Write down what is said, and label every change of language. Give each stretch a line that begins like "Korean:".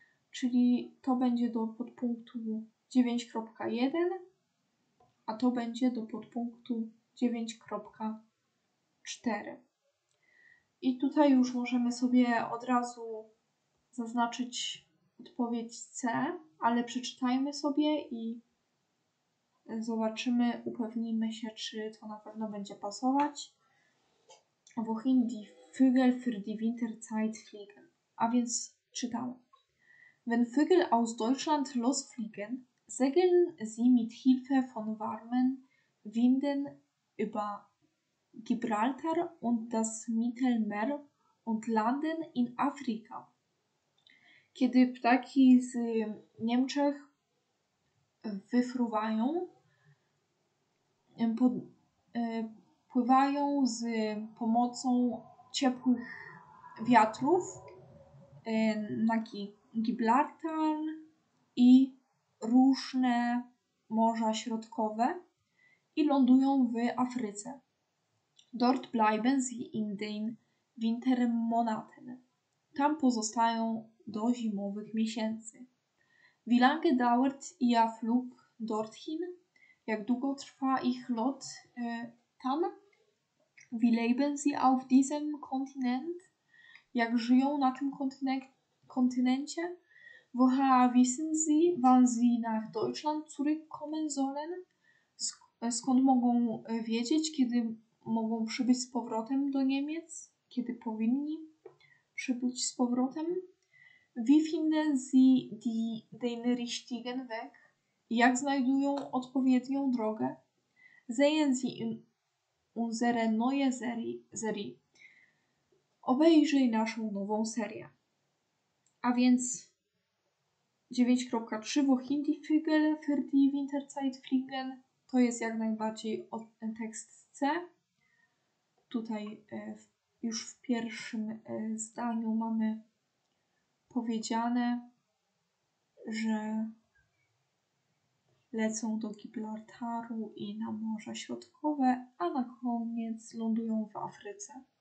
Polish: Czyli to będzie do podpunktu 9.1, a to będzie do podpunktu 9.4. I tutaj już możemy sobie od razu zaznaczyć odpowiedź C, ale przeczytajmy sobie i zobaczymy, upewnimy się, czy to na pewno będzie pasować.
German: Wohin die Vögel für die Winterzeit fliegen.
Polish: A więc czytam.
German: Wenn Vögel aus Deutschland losfliegen, segeln sie mit Hilfe von warmen Winden über Gibraltar und das Mittelmeer und landen in Afrika.
Polish: Kiedy ptaki z Niemczech wyfruwają, pływają z pomocą ciepłych wiatrów na Gibraltar i różne morza środkowe i lądują w Afryce.
German: Dort bleiben sie in den Wintermonaten.
Polish: Tam pozostają do zimowych miesięcy.
German: Wie lange dauert Ihr Flug dorthin?
Polish: Jak długo trwa ich lot tam?
German: Wie leben Sie auf diesem Kontinent?
Polish: Jak żyją na tym Kontynencie?
German: Woher wissen Sie, wann Sie nach Deutschland zurückkommen sollen?
Polish: Skąd mogą wiedzieć, kiedy mogą przybyć z powrotem do Niemiec? Kiedy powinni przybyć z powrotem?
German: Wie finden Sie den richtigen Weg?
Polish: Jak znajdują odpowiednią drogę?
German: Sehen Sie unsere neue Serie.
Polish: Obejrzyj naszą nową serię. A więc
German: 9.3, wo Hindi fliegen, für die Winterzeit fliegen.
Polish: To jest jak najbardziej tekst C. Tutaj już w pierwszym zdaniu mamy powiedziane, że lecą do Gibraltaru i na Morze Środkowe, a na koniec lądują w Afryce.